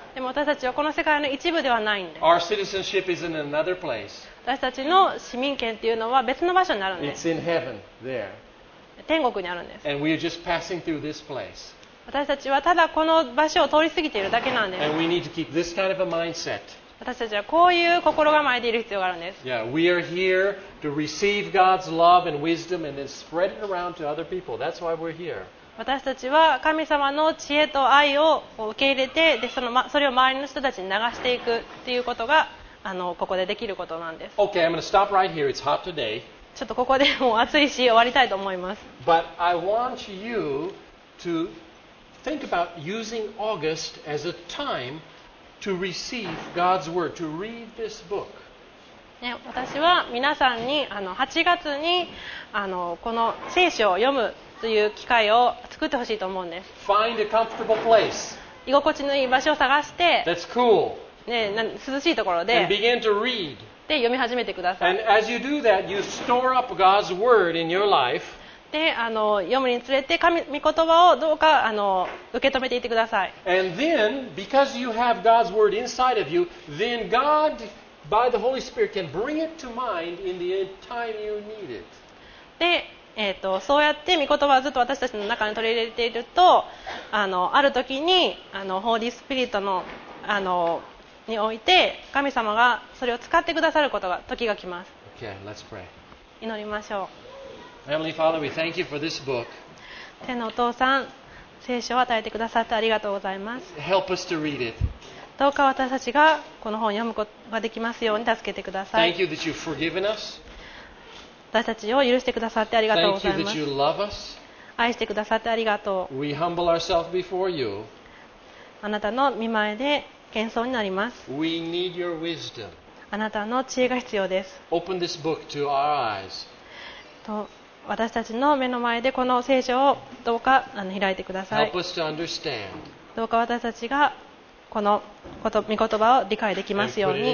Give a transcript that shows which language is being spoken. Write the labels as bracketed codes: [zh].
[ja] でも私たちはこの世界の一部ではないんです。 [en] Our citizenship is in another place. [ja] 私たちの市民権というのは別の場所にあるんです。 [en] It's in heaven, there. [ja] 天国にあるんです。 [en] And we are just passing through this place. [ja] 私たちはただこの場所を通り過ぎているだけなんです。 [en] And we need to keep this kind of a mindset. [ja] 私たちはこういう心構えでいる必要があるんです。 [en] Yeah, we are here to receive God's love and wisdom and then spread it around to other people. That's why we're here. [ja] 私たちは神様の知恵と愛を受け入れて、で、それを周りの人たちに流していくということが、ここでできることなんです。 [en] Okay, I'm going to stop right here. It's hot today. [ja] ちょっとここでもう暑いし終わりたいと思います。 [en] But I want you to think about using August as a time. To receive God's word, to read this book. [ja] 私は皆さんに8月にこの聖書を読むという機会を作ってほしいと思うんです。 [en] Find a comfortable place. [ja] 居心地のいい場所を探して、 [en] That's cool. [ja] ね、涼しいところで、 [en] And begin to read. [ja] で読み始めてください。 [en] And as you do that, you store up God's word in your life. [ja] で読むにつれて神御言葉をどうか受け止めていてください。 [en] And then, because you have God's word inside of you, then God, by the Holy Spirit, can bring it to mind in the time you need it. [ja] で、そうやって御言葉をずっと私たちの中に取り入れていると、ある時にホーリースピリットのにおいて神様がそれを使ってくださることが時が来ます。 [en] Okay, let's pray. [ja] 祈りましょう。 [en] Heavenly Father, we thank you for this book. [ja] 天のお父さん、聖書を与えてくださってありがとうございます。 [en] Help us to read it. [ja] どうか私たちがこの本を読むことができますように助けてください。 [en] Thank you that you've forgiven us. [ja] 私たちを許してくださってありがとうございます。 [en] Thank you that you love us. [ja] 愛してくださってありがとう。 [en] We humble ourselves before you. [ja] あなたの御前で謙遜になります。 [en] We need your wisdom. [ja] あなたの知恵が必要です。 [en] Open this book to our eyes. [ja] と私たちの目の前でこの聖書をどうか開いてください。 [en] Help us to understand. [ja] どうか私たちがこの御言葉を理解できますように、